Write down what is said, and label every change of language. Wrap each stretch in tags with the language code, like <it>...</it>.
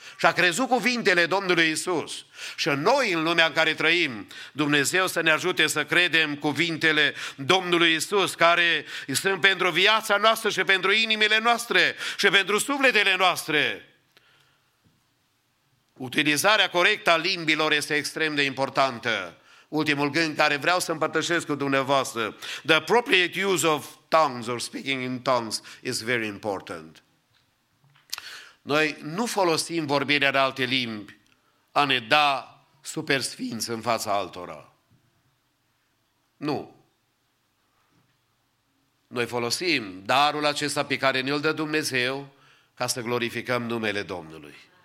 <ro>Și a crezut cuvintele Domnului Iisus. Și noi în lumea în care trăim, Dumnezeu să ne ajute să credem cuvintele Domnului Iisus, care sunt pentru viața noastră și pentru inimile noastre și pentru sufletele noastre. Utilizarea corectă a limbilor este extrem de importantă. Ultimul gând care vreau să împărtășesc cu dumneavoastră.</ro> <en>The appropriate use of tongues or speaking in tongues is very important.</en> <ro>Noi nu folosim vorbirea de alte limbi a ne da super sfinți în fața altora. Nu. Noi folosim darul acesta pe care ne-l dă Dumnezeu ca să glorificăm numele Domnului.</ro>